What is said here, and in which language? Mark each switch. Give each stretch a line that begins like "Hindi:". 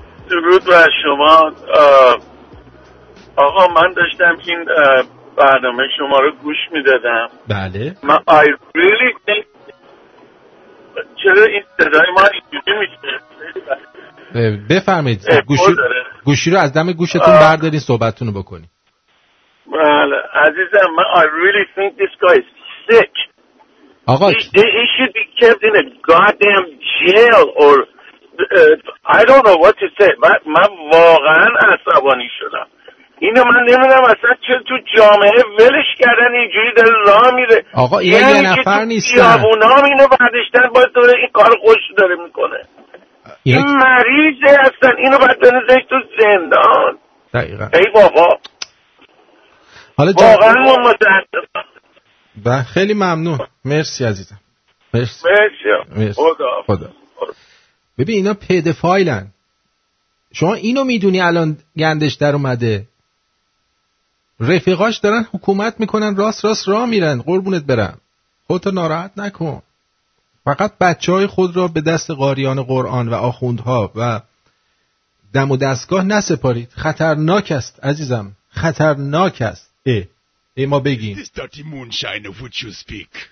Persian: درود بر شما آقا، من داشتم این برنامه شما رو گوش میدادم. بله. من
English: I really think
Persian: چرا این صدای ما اینجوری میشه؟ بفرمید. گوشی رو از دم گوشتون بردارید، صحبتتون رو بکنید. بله عزیزم، من
English: I really think this guy is sick.
Persian: آقا
English: he should be kept in a goddamn jail or I don't know what to say.
Persian: من واقعا عصبانی شدم. اینو من نمیدونم اصلا چه تو جامعه ولش کردن اینجوری داره راه میره. آقا این یه نفر نیست. اون هم اینو بعدشتر باید داره این کار خوش داره میکنه. این مریضه اصلا، اینو باید بندازش تو زندان. دقیقاً. ای بابا. حالا واقعا من متاسفم. بله خیلی ممنون. مرسی عزیزم. مرسی. خدا. ببین اینا پدفایلن. شما اینو میدونی الان گندش در اومده. رفیقاش دارن حکومت میکنن، راست راست راه میرن. قربونت برم. خودت ناراحت نکن. فقط بچهای خود را به دست قاریان قرآن و آخوندها و دم و دستگاه نسپارید. خطرناک است عزیزم. خطرناک است. ای ما بگیم.
English: This dirty moonshine of which you speak.